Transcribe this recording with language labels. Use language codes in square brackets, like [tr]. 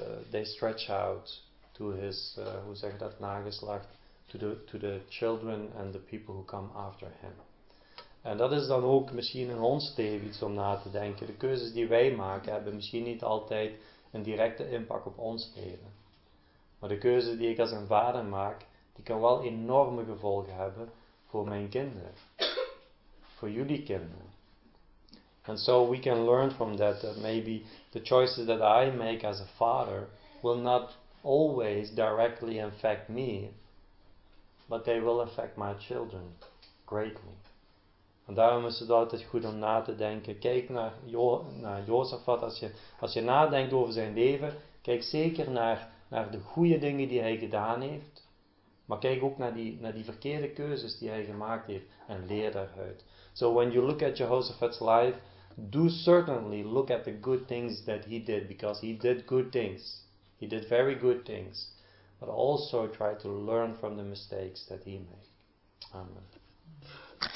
[en] they stretch out to his nageslacht, to the children and the people who come after him. [nl] En dat is dan ook misschien in ons leven iets om na te denken. De keuzes die wij maken hebben misschien niet altijd een directe impact op ons leven. Maar de keuze die ik als een vader maak, die kan wel enorme gevolgen hebben voor mijn kinderen. Voor jullie kinderen. [en] And so we can learn from that maybe the choices that I make as a father will not always directly affect me, but they will affect my children greatly. [nl] En daarom is het altijd goed om na te denken. Kijk naar Jozefat. Als je nadenkt over zijn leven, kijk zeker naar de goede dingen die hij gedaan heeft. Maar kijk ook naar die verkeerde keuzes die hij gemaakt heeft en leer daaruit. [en] So when you look at Jehoshaphat's life, do certainly look at the good things that he did, because he did good things. He did very good things. But also try to learn from the mistakes that he made. Amen.